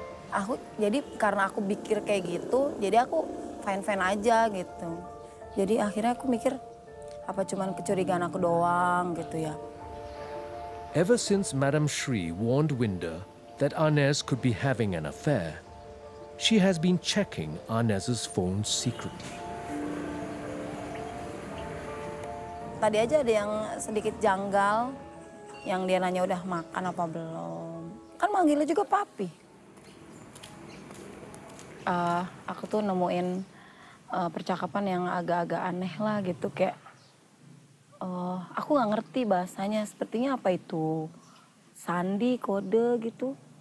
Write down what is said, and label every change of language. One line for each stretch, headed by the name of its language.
Indonesian: Aku jadi karena aku pikir kayak gitu, jadi aku fine-fine aja gitu. Jadi akhirnya aku mikir apa cuman kecurigaan aku doang gitu ya.
English: Ever since Madam Sri warned Winda that Anes could be having an affair, she has been checking Anes's phone secretly.
Indonesian: Tadi aja ada yang sedikit janggal, yang dia nanya udah makan apa belum. Kan manggilnya juga papi. Aku tuh nemuin percakapan yang agak-agak aneh lah gitu, kayak aku gak ngerti bahasanya, sepertinya apa itu sandi, kode gitu.